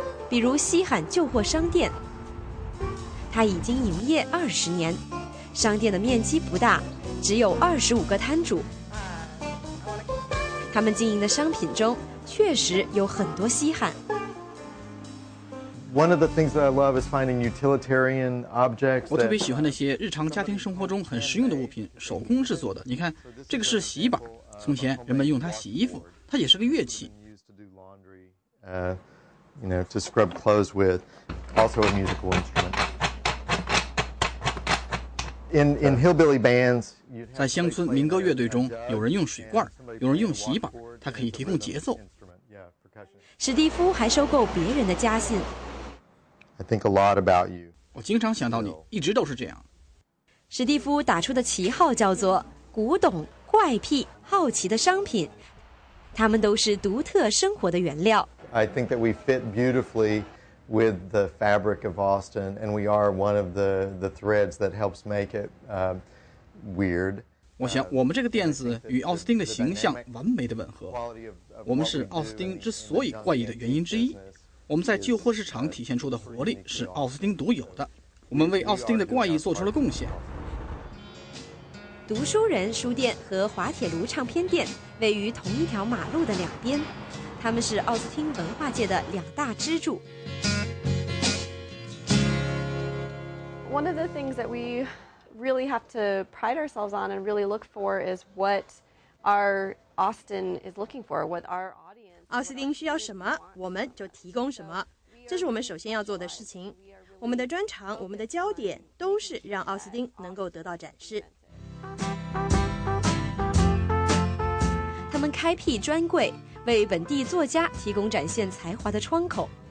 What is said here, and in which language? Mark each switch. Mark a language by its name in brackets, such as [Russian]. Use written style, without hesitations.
[Chinese] 比如西罕旧货商店，它已经营业20年，商店的面积不大，只有25个摊主。他们经营的商品中确实有很多稀罕。 [English] One of the things that I love is finding utilitarian objects. [Chinese] 我特别喜欢那些日常家庭生活中很实用的物品，手工制作的。你看，这个是洗衣板，从前人们用它洗衣服，它也是个乐器。 [English] You know, to scrub clothes with, also a musical instrument. In hillbilly bands, [Chinese] 在乡村民歌乐队中，有人用水罐，有人用洗衣板，它可以提供节奏。史蒂夫还收购别人的家信。 [English] I think a lot about you. [Chinese] 我经常想到你，一直都是这样。史蒂夫打出的旗号叫做古董、怪癖、好奇的商品，他们都是独特生活的原料。 [English] I think that we fit beautifully with the fabric of Austin, and we are one of the threads that helps make it weird. [Chinese] 我想我们这个店子与奥斯汀的形象完美的吻合。我们是奥斯汀之所以怪异的原因之一。我们在旧货市场体现出的活力是奥斯汀独有的，我们为奥斯汀的怪异做出了贡献。读书人书店和滑铁卢唱片店位于同一条马路的两边，他们是奥斯汀文化界的两大支柱。 [English] One of the things that we really have to pride ourselves on and really look for is what our Austin is looking for, what our [Chinese] 奥斯汀需要什么，我们就提供什么，这是我们首先要做的事情。我们的专长，我们的焦点都是让奥斯汀能够得到展示。他们开辟专柜，为本地作家提供展现才华的窗口。